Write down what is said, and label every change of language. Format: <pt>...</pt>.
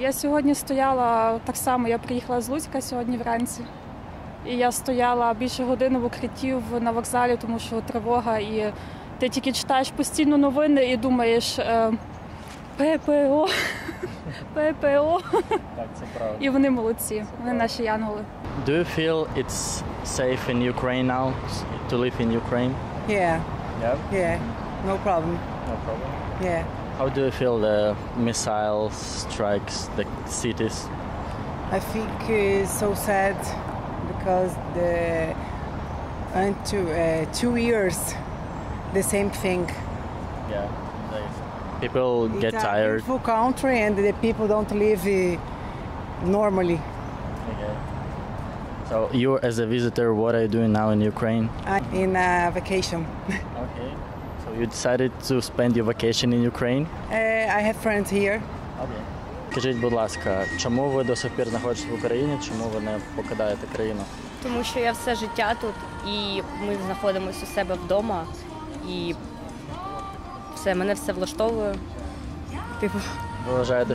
<uk>Я сьогодні стояла так само, я приїхала з Луцька сьогодні вранці. І я стояла більше години в укритті на вокзалі, тому що тривога. І ти тільки читаєш постійно новини і думаєш, ППО, ППО. Так, це правда. І вони молодці, вони наші янголи.</uk> <en>Do you feel it's safe in Ukraine now, to live in Ukraine? Yeah. Yeah? Yeah, no problem. No problem? Yeah. How do you feel the missile strikes the cities? I think it's so sad because the into 2 years, the same thing. Yeah, people get tired. It's a beautiful country and the people don't live normally. So you, as a visitor, what are you doing now in Ukraine? I'm in a vacation. Okay. So you decided to spend your vacation in Ukraine? I have friends here. Okay.</en> <uk>Скажіть, будь ласка, чому ви до сих пір знаходитесь в Україні, чому ви не покидаєте країну? Тому що я все життя тут, і ми знаходимося у себе вдома, і все, мене все влаштовує. Типу, ви вважаєте,</uk>